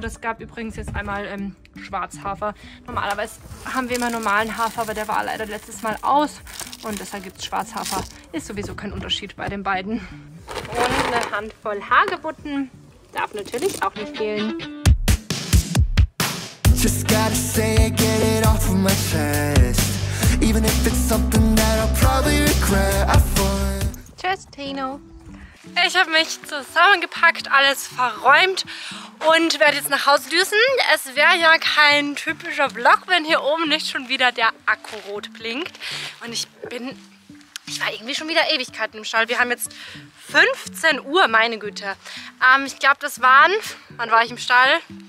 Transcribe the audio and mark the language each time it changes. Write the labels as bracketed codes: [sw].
[de] Das gab übrigens jetzt einmal Schwarzhafer. Normalerweise haben wir immer normalen Hafer, aber der war leider letztes Mal aus. Und deshalb gibt es Schwarzhafer. Ist sowieso kein Unterschied bei den beiden. Und eine Handvoll Hagebutten darf natürlich auch nicht fehlen. [en] Just gotta say I get it off of my chest. Even if it's something that I'll probably regret. [de] Tschüss, Tino. Ich habe mich zusammengepackt, alles verräumt und werde jetzt nach Hause düsen. Es wäre ja kein typischer Vlog, wenn hier oben nicht schon wieder der Akku rot blinkt. Und ich war irgendwie schon wieder Ewigkeiten im Stall. Wir haben jetzt 15 Uhr, meine Güte. Ich glaube, das waren, wann war ich im Stall?